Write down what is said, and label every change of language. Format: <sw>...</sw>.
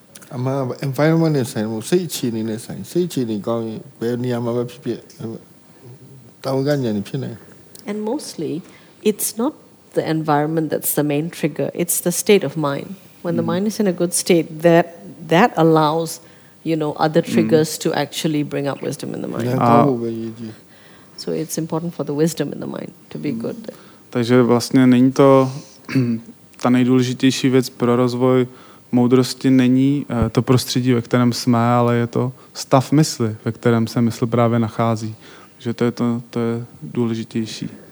<en>A má environment je sám, sejčiní ne sám, sejčiní kámi, bejní a máme pípě, tavganě ne. And mostly, it's not the environment that's the main trigger, it's the state of mind. When the mind is in a good state, that allows, you know, other triggers to actually bring up wisdom in the mind. So it's important for the wisdom in the mind to be good.</en> <cs>Takže vlastně není to ta nejdůležitější věc pro rozvoj moudrosti není to prostředí, ve kterém jsme, ale je to stav mysli, ve kterém se mysl právě nachází. Že to je důležitější.</cs>